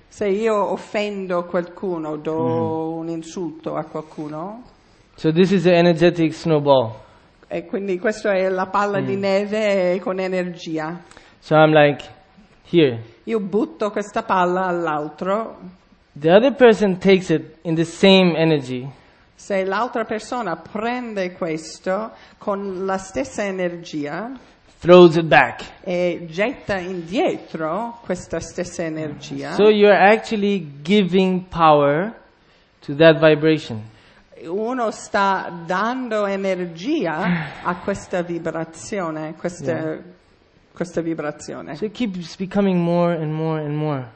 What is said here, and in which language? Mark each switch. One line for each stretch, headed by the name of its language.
Italian: se io offendo qualcuno, do un insulto a qualcuno.
English: So this is the energetic snowball.
Italian: E quindi questa è la palla di neve con energia.
English: So I'm like, here.
Italian: Io butto questa palla all'altro.
English: The other person takes it in the same energy.
Italian: Se l'altra persona prende questo con la stessa energia,
English: throws it back.
Italian: E getta indietro questa stessa energia.
English: So you're actually giving power to that vibration.
Italian: Uno sta dando energia a questa vibrazione, questa vibrazione.
English: So it keeps becoming more and more and more.